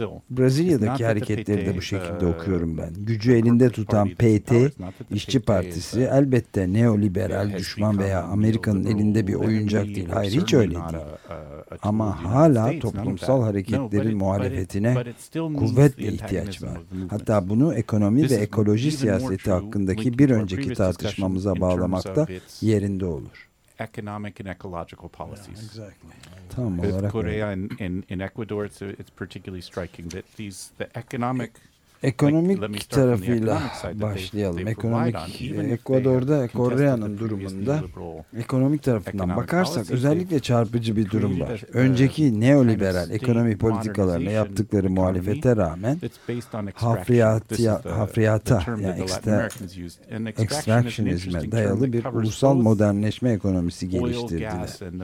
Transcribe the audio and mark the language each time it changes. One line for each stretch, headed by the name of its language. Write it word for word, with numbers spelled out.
Turkish: Brezilya'daki hareketleri de bu şekilde okuyorum ben. Gücü elinde tutan P T, İşçi Partisi elbette neoliberal, düşman veya Amerika'nın elinde bir oyuncak değil. Hayır, hiç öyle değil. Ama hala toplumsal hareketlerin muhalefetine kuvvetle ihtiyaç var. Hatta bunu ekonomi ve ekoloji siyaseti hakkındaki bir önceki tartışmamıza bağlamakta yerinde olur.
English: Economic and ecological policies. Yeah, exactly.
Turkish: Tam olarak
English: Korea and in, in Ecuador it's, it's particularly striking that these the economic
Turkish: Ekonomik
English: like,
Turkish: tarafıyla başlayalım. Ekonomik, Ekvador'da, Kore'nin durumunda ekonomik tarafından bakarsak özellikle çarpıcı bir durum var. Önceki neoliberal ekonomi politikalarına yaptıkları muhalefete rağmen hafriyata, hafriyata yani extractionizme dayalı bir ulusal modernleşme ekonomisi geliştirdiler.